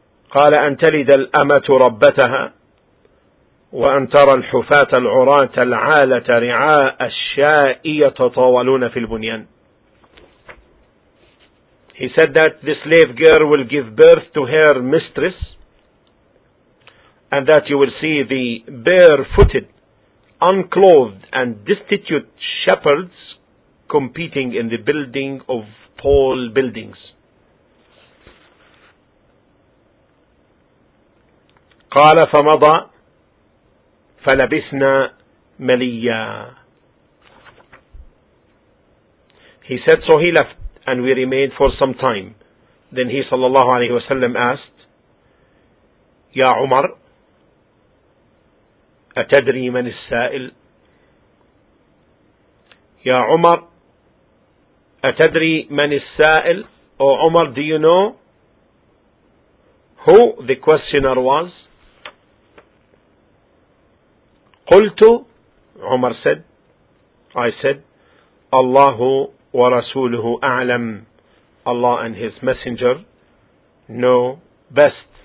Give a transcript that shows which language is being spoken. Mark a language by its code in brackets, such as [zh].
[ar] قال أن تلد الأمة ربتها وأن ترى الحفاة العراة العالة رعاء الشاء يتطاولون في البنيان. [en] He said that the slave girl will give birth to her mistress, and that you will see the barefooted, unclothed, and destitute shepherds competing in the building of tall buildings. [ar] قال فمضى فلبسنا مليا. [en] He said, so he left and we remained for some time. Then he [ar] صلى الله عليه وسلم [en] asked, [ar] يا عمر أتدري من السائل. يا عمر أتدري من السائل. [en] O عمر, do you know who the questioner was? [ar] قلت, عمر [en] said, I said, [ar] الله ورسوله أعلم. [en] Allah and His Messenger know best.